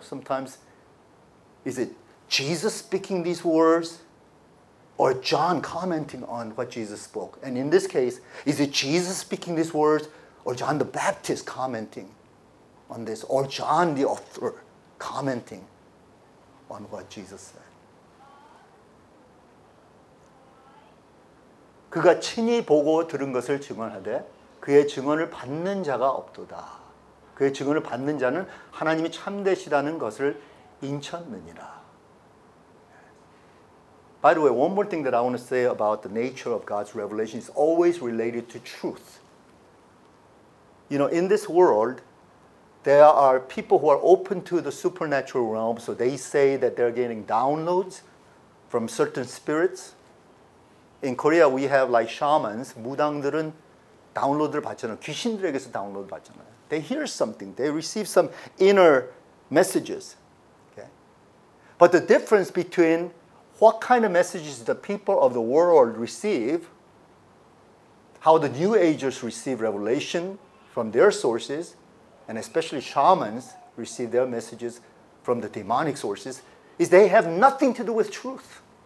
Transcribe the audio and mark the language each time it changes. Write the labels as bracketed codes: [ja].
[en] Sometimes, is it Jesus speaking these words or John commenting on what Jesus spoke? And in this case, is it Jesus speaking these words or John the Baptist commenting on this or John the author commenting on what Jesus said? [ko] 그가 친히 보고 들은 것을 증언하되 그의 증언을 받는 자가 없도다. 그의 증언을 받는 자는 하나님이 참되시다는 것을 인쳤느니라. [en] By the way, one more thing that I want to say about the nature of God's revelation is always related to truth. You know, in this world, there are people who are open to the supernatural realm, so they say that they're getting downloads from certain spirits. In Korea, we have like shamans. [ko] 무당들은 다운로드를 받잖아요. 귀신들에게서 다운로드 받잖아요. [en] They hear something. They receive some inner messages. Okay? But the difference between what kind of messages the people of the world receive, how the New Agers receive revelation from their sources, and especially shamans receive their messages from the demonic sources, is they have nothing to do with truth.